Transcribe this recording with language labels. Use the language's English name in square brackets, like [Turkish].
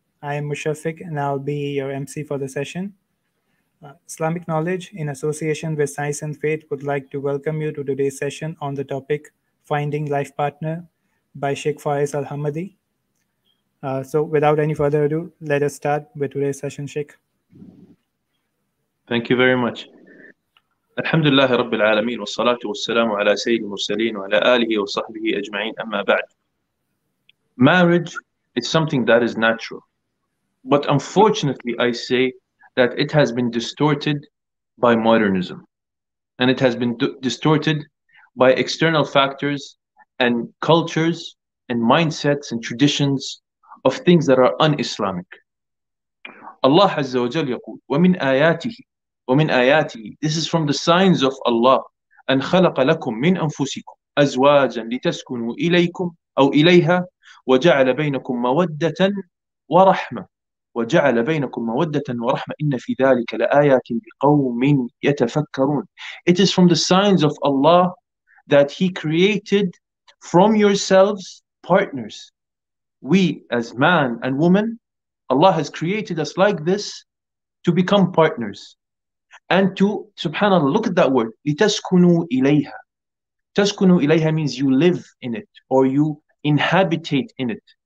[English] I am Mushafiq and I'll be your MC for the session. Islamic Knowledge, in association with Science and Faith, would like to welcome you to today's session on the topic Finding Life Partner by Sheikh Faris Al Hammadi. So, without any further ado, let us start with today's session, Sheikh. Thank you very much. [Arabic] الحمد لله رب العالمين والصلاة والسلام على سيد المرسلين وعلى آله وصحبه أجمعين أما بعد. [English] Marriage is something that is natural, but unfortunately I say that it has been distorted by modernism, and it has been distorted by external factors and cultures and mindsets and traditions of things that are un-Islamic. [Arabic] الله عز وجل يقول ومن آياته وَمِنْ آيَاتِهِ [English] This is from the signs of Allah. [Arabic] أَنْ خَلَقَ لَكُمْ مِنْ أَنفُسِكُمْ أَزْوَاجًا لِتَسْكُنُوا إِلَيْكُمْ أَوْ إِلَيْهَا وَجَعَلَ بَيْنَكُمْ مَوَدَّةً وَرَحْمَةً وَجَعَلَ بَيْنَكُمْ مَوَدَّةً وَرَحْمَةً إِنَّ فِي ذَلِكَ لَآيَاتٍ لِقَوْمٍ يَتَفَكَّرُونَ [English] It is from the signs of Allah that He created from yourselves partners. We as man and woman, Allah has created us like this to become partners. And to, subhanAllah, look at that word, [Arabic] لِتَسْكُنُوا إِلَيْهَا تَسْكُنُوا إِلَيْهَا [English] means you live in it or you inhabitate in it.